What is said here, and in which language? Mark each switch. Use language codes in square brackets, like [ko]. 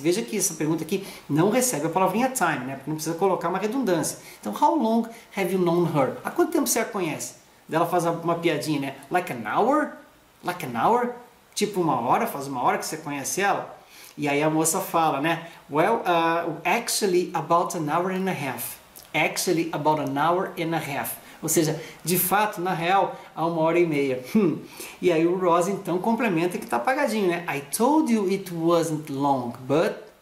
[pt] Veja que essa pergunta aqui não recebe a palavrinha time, né? Porque não precisa colocar uma redundância. Então, [en] how long have you known her? [pt] Há quanto tempo você a conhece? Ela faz uma piadinha, né? [en] Like an hour? [pt] Tipo uma hora, faz uma hora que você conhece ela. E aí a moça fala, né? [en] Well, actually about an hour and a half. [pt] Ou seja, de fato, na real, há uma hora e meia. E aí o Ross então complementa que tá apagadinho, né? [en] I told you it wasn't long, but...